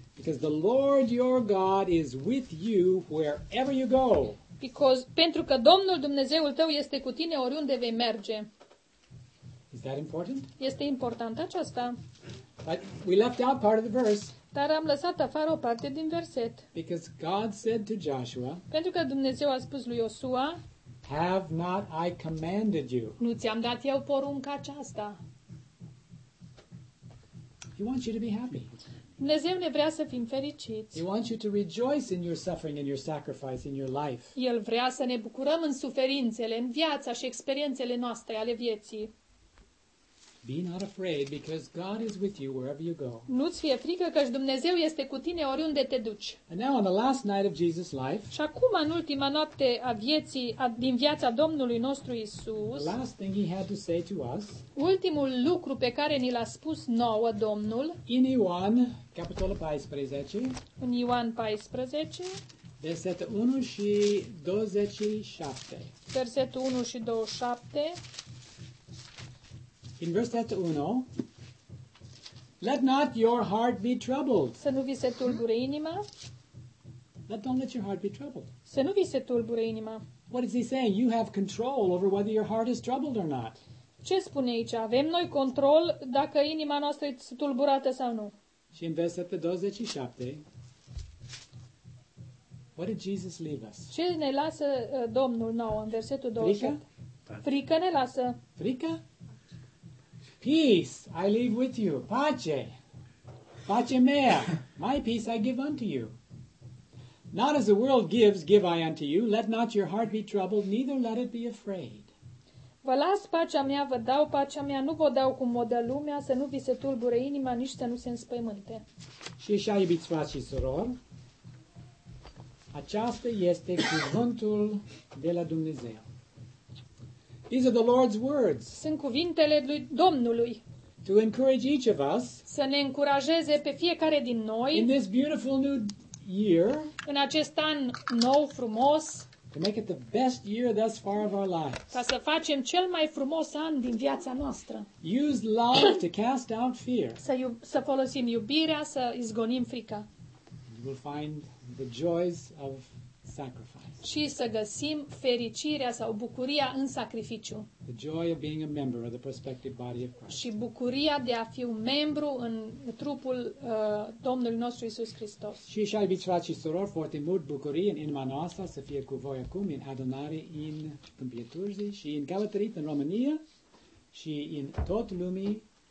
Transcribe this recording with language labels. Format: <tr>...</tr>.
<en>Because the Lord your God is with you wherever you go.</en> <ro>Pentru că Domnul Dumnezeul tău este cu tine oriunde vei merge.</ro> <en>Is that important?</en> <ro>Este important aceasta.</ro> <en>But we left out part of the verse.</en> <ro>Dar am lăsat afară o parte din verset.</ro> <en>Because God said to Joshua,</en> <ro>pentru că Dumnezeu a spus lui Iosua,</ro> <en>have not I commanded you?</en> <ro>Nu ți-am dat eu porunca aceasta.</ro> <en>He wants you to be happy.</en> <ro>Dumnezeu ne vrea să fim fericiți.</ro> <en>He wants you to rejoice in your suffering, in your sacrifice, in your life.</en> <ro>El vrea să ne bucurăm în suferințele, în viața și experiențele noastre ale vieții.</ro> <en>Be not afraid because God is with you wherever you go.</en> <ro>Nu-ți fie frică căci Dumnezeu este cu tine oriunde te duci.</ro> <en>And now on the last night of Jesus' life.</en> <ro>Și acum în ultima noapte a vieții din viața Domnului nostru Isus.</ro> <en>The last thing he had to say to us.</en> <ro>Ultimul lucru pe care ni l-a spus nouă Domnul. In Ioan, capitolul 14. În Ioan 14. Versetul 1 și 27. Versetul 1 și 27.</ro> <en>In verse 1, let not your heart be troubled.</en> <ro>Să nu vi se tulbure inima.</ro> <en>Don't let your heart be troubled.</en> <ro>Să nu vi se tulbure inima.</ro> <en>What is he saying? You have control over whether your heart is troubled or not.</en> <ro>Ce spune aici? Avem noi control dacă inima noastră este tulburată sau nu. Și în versetul 27,</ro> <en>what did Jesus leave us?</en> <ro>Ce ne lasă Domnul nouă în versetul 27? Frică ne lasă. Frică?</ro> <en>Peace I leave with you.</en> <ro>Pace. Pace mea.</ro> <en>My peace I give unto you. Not as the world gives, give I unto you. Let not your heart be troubled, neither let it be afraid.</en> <ro>Vă las pacea mea, vă dau pacea mea, nu vă dau cum o dă lumea, să nu vi se tulbure inima, nici să nu se înspăimânte. Și așa, iubiți frați și surori, aceasta este cuvântul de la Dumnezeu.</ro> <en>These are the Lord's words.</en> <ro>Sunt cuvintele lui Domnului.</ro> <en>To encourage each of us.</en> <ro>Să ne încurajeze pe fiecare din noi.</ro> <en>In this beautiful new year.</en> <ro>În acest an nou frumos.</ro> <en>To make it the best year thus far of our lives.</en> <ro>Ca să facem cel mai frumos an din viața noastră.</ro> <en>Use love to cast out fear.</en> <ro>Să folosim iubirea să izgonim frica.</ro> <en>You will find the joys of sacrifice.</en> <ro>Și să găsim fericirea sau bucuria în sacrificiu.</ro> <en>The joy of being a member of the prospective body of Christ.</en> <ro>Și bucuria de a fi un membru în trupul Domnului nostru Iisus Hristos. Și așa, iubiți frați și surori, foarte mult bucurie în inima noastră să fie cu voi acum în adunare în Câmpie Turzii și în Călătărit în România și în tot lumii.</ro>